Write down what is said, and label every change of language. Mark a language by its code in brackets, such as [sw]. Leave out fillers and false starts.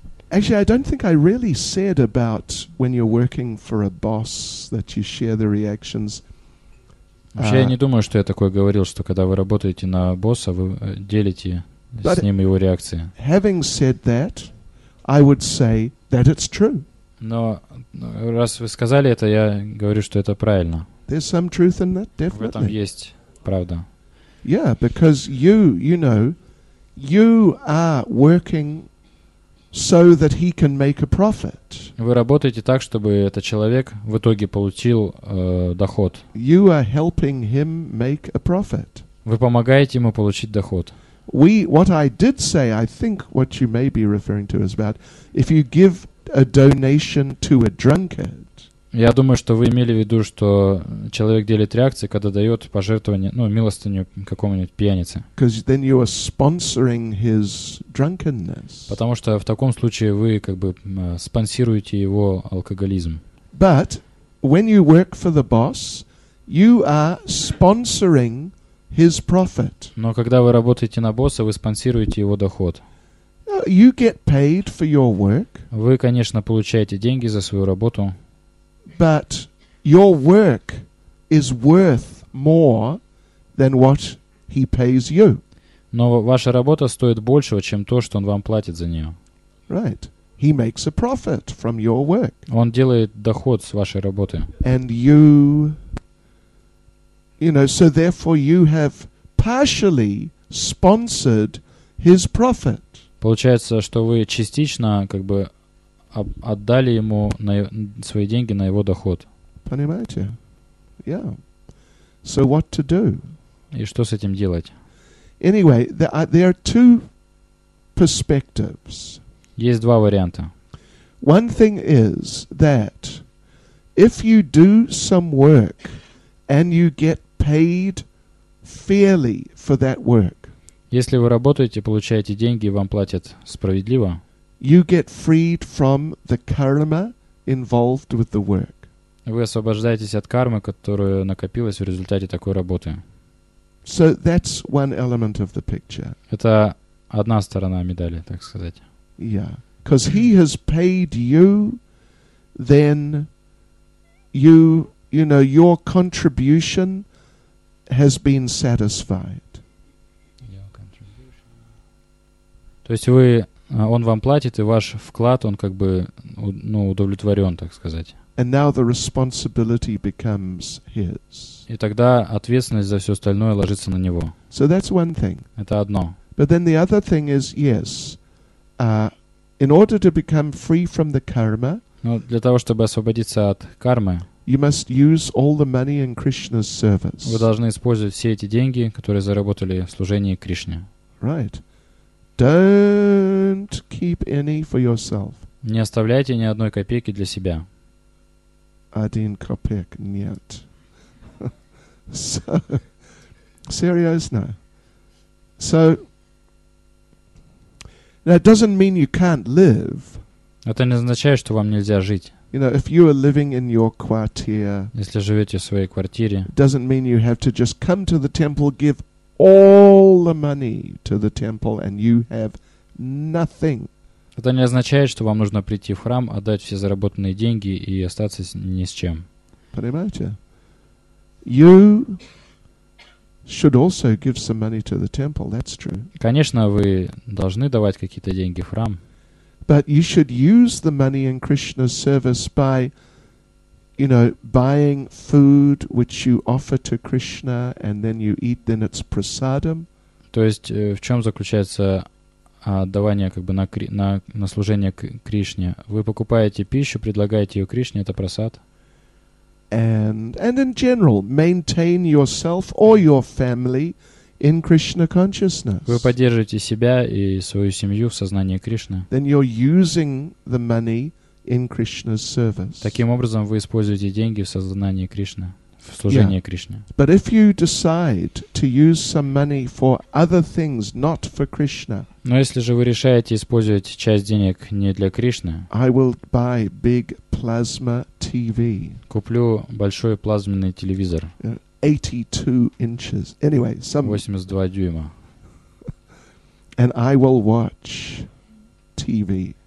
[en] Actually, I don't think I really said about when you're working for a boss that you share the reactions. [ru] Вообще, я не думаю, что я такое говорил, что когда вы работаете на босса, вы делите с ним его реакции. [en] Having said that, I would say that it's true. [ru] Но раз вы сказали это, я говорю, что это правильно. [en] There's some truth in that, definitely. [ru] В этом есть правда. [en] Yeah, because you know, you are working so that he can make a profit. [ru] Вы работаете так, чтобы этот человек в итоге получил доход. [en] You are helping him make a profit. [ru] Вы помогаете ему получить доход. [en] What I did say, I think what you may be referring to is about if you give a donation to a drunkard. [ru] Я думаю, что вы имели в виду, что человек делит реакции, когда дает пожертвование, ну, милостыню какому-нибудь пьянице. [en] Because then you are sponsoring his drunkenness. [ru] Потому что в таком случае вы как бы спонсируете его алкоголизм. [en] But when you work for the boss, you are sponsoring his profit. [ru] Но когда вы работаете на босса, вы спонсируете его доход. [en] You get paid for your work. [ru] Вы, конечно, получаете деньги за свою работу. [en] But your work is worth more than what he pays you. [ru] Но ваша работа стоит большего, чем то, что он вам платит за нее. [en] Right. He makes a profit from your work. [ru] Он делает доход с вашей работы. [en] And you, you know, so therefore you have partially sponsored his profit. [ru] Получается, что вы частично как бы отдали ему на свои деньги на его доход. Понимаете? [en] Yeah. So what to do? [ru] И что с этим делать? [en] Anyway, there are two perspectives. [ru] Есть два варианта. [en] One thing is that if you do some work and you get paid fairly for that work, [ru] если вы работаете, получаете деньги и вам платят справедливо, [en] you get freed from the karma involved with the work. [ru] Вы освобождаетесь от кармы, которая накопилась в результате такой работы. [en] So that's one element of the picture. [ru] Это одна сторона медали, так сказать. [en] Yeah. Because he has paid you, then you, you know, your contribution has been satisfied. Your contribution. [ru] То есть вы, он вам платит, и ваш вклад, он как бы, ну, удовлетворен, так сказать. [en] And now the responsibility becomes his. [ru] И тогда ответственность за все остальное ложится на него. [en] So that's one thing. [ru] Это одно. [en] But then the other thing is, yes, in order to become free from the karma, [ru] ну, для того, чтобы освободиться от кармы, [en] you must use all the money in Krishna's service. [ru] Вы должны использовать все эти деньги, которые заработали в служении Кришне. [en] Right. Don't keep any for yourself. [ru] Не оставляйте ни одной копейки для себя. Один копеек нет. [en] So, [ru] серьезно. [en] So, now it doesn't mean you can't live. [ru] Это не означает, что вам нельзя жить. [en] You know, if you are living in your quartier, [ru] если живете в своей квартире, [en] it doesn't mean you have to just come to the temple, give all the money to the temple, and you have nothing. [ru] Это не означает, что вам нужно прийти в храм, отдать все заработанные деньги и остаться ни с чем. Понимаете? [en] You should also give some money to the temple, that's true. [ru] Конечно, вы должны давать какие-то деньги в храм. [en] But you should use the money in Krishna's service by, you know, buying food which you offer to Krishna and then you eat, then it's prasadam. [ru] То есть в чем заключается отдавание как бы на служение Кришне? Вы покупаете пищу, предлагаете ее Кришне, это прасад. [en] And in general, maintain yourself or your family in Krishna consciousness. [ru] Вы поддерживаете себя и свою семью в сознании Кришны. [en] Then you're using the money in Krishna's service. [ru] Таким образом, вы используете деньги в сознании Кришны, в служении [en] yeah. [ru] Кришне. [en] But if you decide to use some money for other things, not for Krishna, [ru] но если же вы решаете использовать часть денег не для Кришны, [en] I will buy big plasma TV. [ru] Куплю большой плазменный телевизор. [en] 82 inches. Anyway, some [ru] 82 дюйма. [en] And I will watch TV.